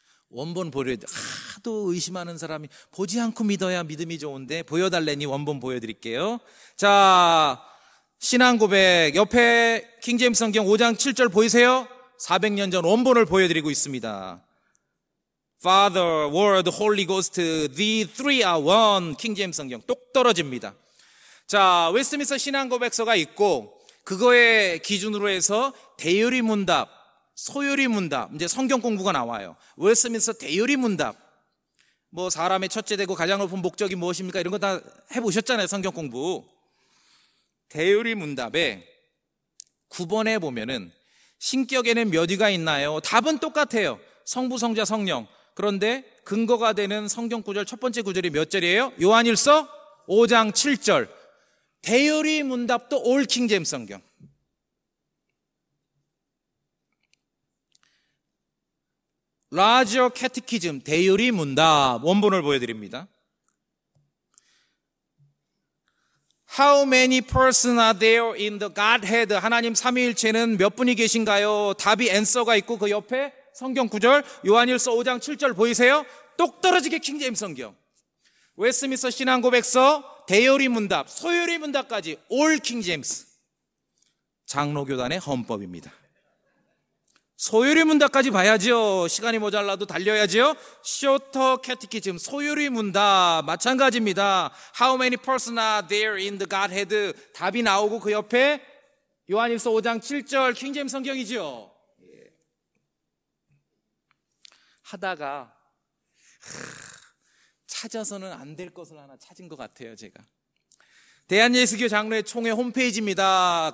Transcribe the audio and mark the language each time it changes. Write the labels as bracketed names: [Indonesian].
[Korean] 원본 보여드려. 하도 의심하는 사람이 보지 않고 믿어야 믿음이 좋은데 보여달래니 원본 보여드릴게요. 자, 신앙고백 옆에 킹제임스 성경 5장 7절 보이세요? 400년 전 원본을 보여드리고 있습니다. [English] Father, Word, Holy Ghost, the three are one. [Korean] 킹제임스 성경 똑 떨어집니다. 자, 웨스트민스터 신앙고백서가 있고 그거의 기준으로 해서 대요리 문답, 소요리 문답, 이제 성경 공부가 나와요. 웨스트민스터 대요리 문답, 뭐 사람의 첫째 되고 가장 높은 목적이 무엇입니까? 이런 거 다 해보셨잖아요. 성경 공부 대요리 문답에 9번에 보면은 신격에는 몇 위가 있나요? 답은 똑같아요. 성부, 성자, 성령. 그런데 근거가 되는 성경 구절 첫 번째 구절이 몇 절이에요? 요한일서 5장 7절 대요리 문답도 올 킹제임 성경. 라지어 캐티키즘 대요리 문답 원본을 보여드립니다. [English] How many persons are there in the Godhead? [Korean] 하나님 삼위일체는 몇 분이 계신가요? 답이 answer가 있고 그 옆에 성경 구절 요한일서 5장 7절 보이세요? 똑 떨어지게 킹제임스 성경 웨스트민스터 신앙고백서 대여리 문답 소여리 문답까지 올 킹제임스 장로교단의 헌법입니다. 소요리 문답까지 봐야죠. 시간이 모자라도 달려야죠. 쇼터 캐티키즘 소요리 문답 마찬가지입니다. [English] How many persons are there in the Godhead? [Korean] 답이 나오고 그 옆에 요한일서 5장 7절 킹제임스 성경이죠. 하다가 찾아서는 안 될 것을 하나 찾은 것 같아요. 제가 대한예수교 장로회 총회 홈페이지입니다.